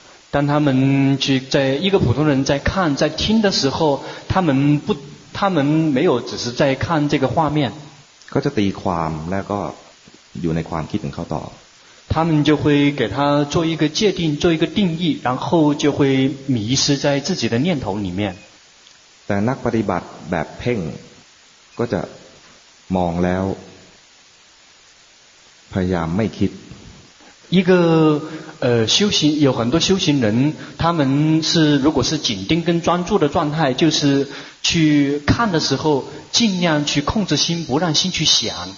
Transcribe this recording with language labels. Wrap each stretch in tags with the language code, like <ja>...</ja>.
<zh>当他们去在一个普通人在看在听的时候他们没有只是在看这个画面</zh> <th>ก็จะตีความแล้วก็อยู่ในความคิดของเขาต่อ</th> <zh>他们就会给他做一个界定做一个定义然后就会迷失在自己的念头里面</zh> <th>แต่นักปฏิบัติแบบเพ่งก็จะมองแล้วพยายามไม่คิด</th> <zh>一个修行有很多修行人他们是如果是紧盯跟专注的状态就是去看的时候尽量去控制心不让心去想</zh>